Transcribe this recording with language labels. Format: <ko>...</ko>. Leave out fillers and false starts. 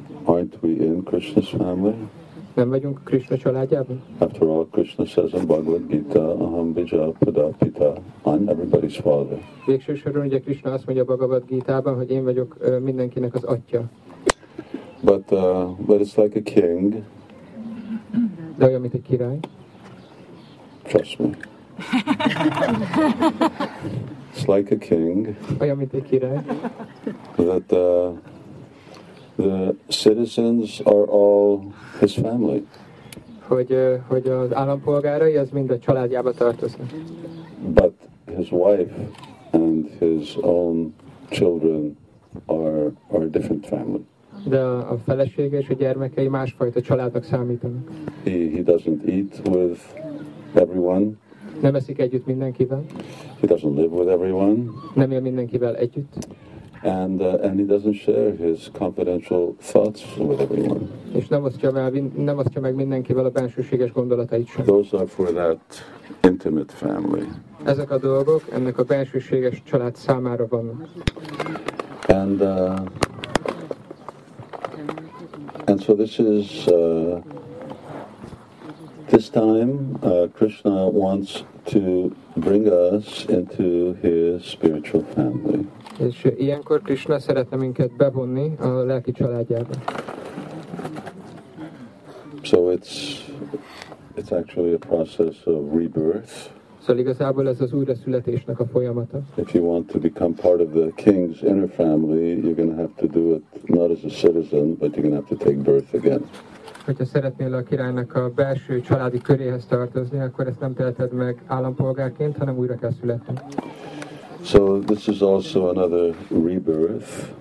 <en>Aren't we in Krishna's family?</en> <hu>Nem vagyunk Krishna családjában?</hu> <en>After all, Krishna says in Bhagavad Gita,</en> <sa>aham bija pada pita,</sa> <en>I'm everybody's father.</en> <hu>Végső soron ugye Krishna azt mondja a Bhagavad Gita-ban, hogy én vagyok mindenkinek az atya.</hu> <en>But it's like a king.</en> <hu>De olyan, mint egy király.</hu> <en>Trust me. It's like a king.</en> <hu>Olyan, mint egy király.</hu> <en>That the citizens are all his family.</en> <hu>Hogy az állampolgárai az mind a családjába tartoznak.</hu> <en>But his wife and his own children are a different family.</en> <hu>De a felesége és a gyermekei másfajta családnak számítanak.</hu> <en>He doesn't eat with everyone.</en> <hu>Nem eszik együtt mindenkivel.</hu> <en>He doesn't live with everyone.</en> <hu>Nem él mindenkivel együtt.</hu> <en>And he doesn't share his confidential thoughts with everyone.</en> <hu>És nem osztja meg mindenkivel a bensőséges gondolatait sem.</hu> <en>Those are for that intimate family.</en> <hu>Ezek a dolgok ennek a bensőséges család számára vannak.</hu> <en>And so this is This time, Krishna wants to bring us into his spiritual family.</en> <hu>És ilyenkor Krishna szeretne minket bevonni a lelki családjába.</hu> <en>So it's actually a process of rebirth.</en> <hu>Szóval igazából ez az újraszületésnek a folyamata.</hu> <en>If you want to become part of the king's inner family, you're going to have to do it not as a citizen, but you're going to have to take birth again.</en> <hu>Hogyha szeretnél a királynak a belső családi köréhez tartozni, akkor ezt nem teheted meg állampolgárként, hanem újra kell születni.</hu> <en>So this is also another rebirth.</en>